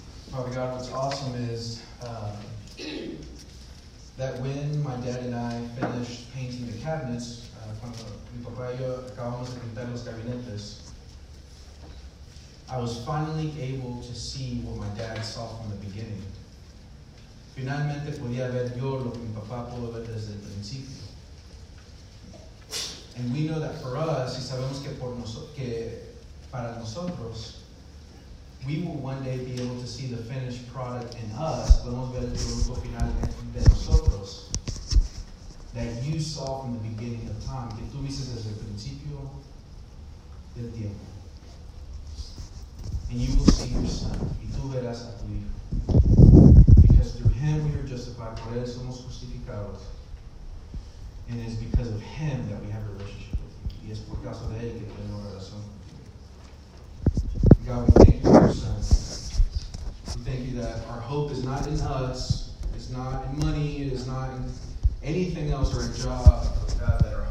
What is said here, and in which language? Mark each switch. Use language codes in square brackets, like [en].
[en] Father God, what's awesome is that when my dad and I finished painting the cabinets, [es] cuando mi papá y yo acabamos de pintar los gabinetes, [en] I was finally able to see what my dad saw from the beginning. [es] Finalmente podía ver yo lo que mi papá pudo ver desde el principio. And we know that for us, y sabemos que por que para nosotros, we will one day be able to see the finished product in us, podemos ver el producto final de nosotros, that you saw from the beginning of time, que tú viste desde el principio del tiempo. And you will see your son, y tú verás a tu hijo. Because through him we are justified, por él somos justificados. [en] And it's because of him that we have a relationship with you. [es] Y es por causa de él que tenemos relación. [en] God, we thank you for your son. We thank you that our hope is not in us, it's not in money, it is not in anything else or a job, God.